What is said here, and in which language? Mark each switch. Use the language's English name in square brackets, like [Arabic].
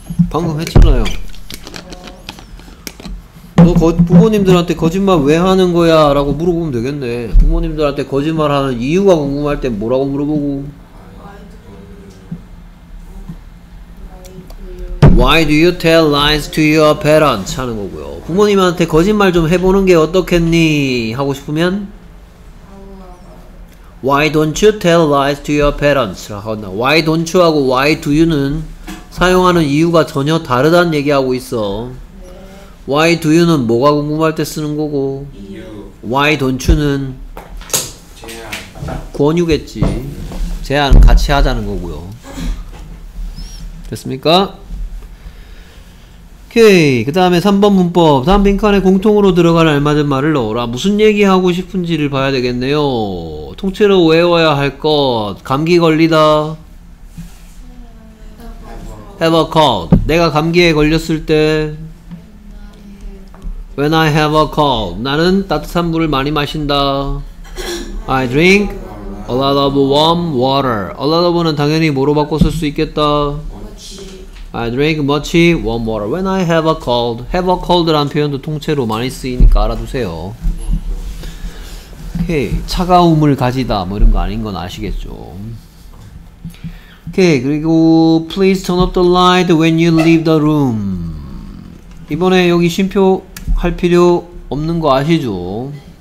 [Korean] 방금 했잖아요. 너 부모님들한테 거짓말 왜 하는 거야 라고 물어보면 되겠네. 부모님들한테 거짓말 하는 이유가 궁금할 때 뭐라고 물어보고. [English] Why do you tell lies to your parents? [Korean] 하는 거고요. 부모님한테 거짓말 좀 해보는 게 어떻겠니? 하고 싶으면 [English] Why don't you tell lies to your parents? [Korean] 하거나 [English] Why don't you [Korean] 하고 [English] Why do you [Korean] 는 사용하는 이유가 전혀 다르다는 얘기하고 있어. [English] Why do you [Korean] 는 뭐가 궁금할 때 쓰는 거고 [English] Why don't you [Korean] 는 권유겠지. 제안은 같이 하자는 거고요. 됐습니까? 오케이. 그 다음에 3번 문법. 다음 빈칸에 공통으로 들어갈 알맞은 말을 넣어라. 무슨 얘기하고 싶은지를 봐야 되겠네요. 통째로 외워야 할 것. 감기 걸리다. [English] have a cold. [Korean] 내가 감기에 걸렸을 때 [English] When I have a cold. [Korean] 나는 따뜻한 물을 많이 마신다. [English] I drink a lot of warm water. A lot of는 [Korean] 당연히 뭐로 바꿔 쓸 수 있겠다. [English] I drink much warm water when I have a cold. Have a cold [Korean] 란 표현도 통째로 많이 쓰이니까 알아두세요. 오케이, 차가움을 가지다 뭐 이런 거 아닌 건 아시겠죠. 오케이, 그리고 [English] please turn off the light when you leave the room. [Korean] 이번에 여기 쉼표 할 필요 없는 거 아시죠?